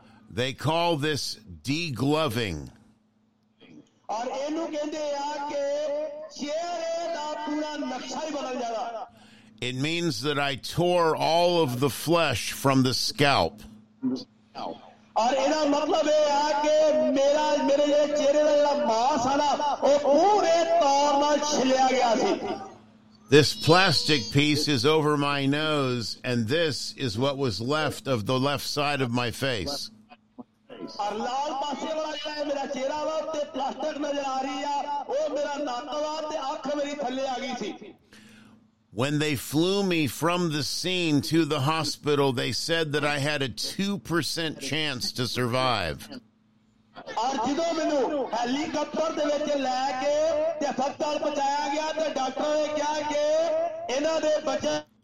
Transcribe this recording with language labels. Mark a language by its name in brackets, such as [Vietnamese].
[English] They call this degloving. [Punjabi] ਔਰ ਇਹਨੂੰ ਕਹਿੰਦੇ ਆ ਕਿ ਚਿਹਰੇ ਦਾ ਪੂਰਾ ਨਕਸ਼ਾ ਹੀ ਬਦਲ ਜਾਣਾ। [English] It means that I tore all of the flesh from the scalp. [Punjabi] ਔਰ ਇਹਦਾ ਮਤਲਬ ਇਹ ਆ ਕਿ ਮੇਰਾ ਮੇਰੇ ਜਿਹੜੇ ਚਿਹਰੇ ਦਾ ਜਿਹੜਾ ਮਾਸ ਆ ਨਾ ਉਹ ਪੂਰੇ ਤੌਰ ਨਾਲ ਛਿਲਿਆ ਗਿਆ ਸੀ। [English] This plastic piece is over my nose and this is what was left of the left side of my face. [Punjabi] ਔਰ ਲਾਲ ਪਾਸੇ ਵਾਲਾ ਜਿਹੜਾ ਮੇਰਾ ਚਿਹਰਾ ਵਾ ਤੇ ਪਲਾਸਟਿਕ ਨਜ਼ਰ ਆ ਰਹੀ ਆ ਉਹ ਮੇਰਾ ਨੱਕ ਵਾ ਤੇ ਅੱਖ ਮੇਰੀ ਥੱਲੇ ਆ ਗਈ ਸੀ। [English] When they flew me from the scene to the hospital, they said that I had a 2% chance to survive. [Punjabi] ਔਰ ਜਦੋਂ ਮੈਨੂੰ ਹੈਲੀਕਾਪਟਰ ਦੇ ਵਿੱਚ ਲੈ ਕੇ ਤੇ ਹਸਪਤਾਲ ਪਹੁੰਚਾਇਆ ਗਿਆ ਤੇ ਡਾਕਟਰ ਨੇ ਕਿਹਾ ਕਿ ਇਹਨਾਂ ਦੇ ਬੱਚੇ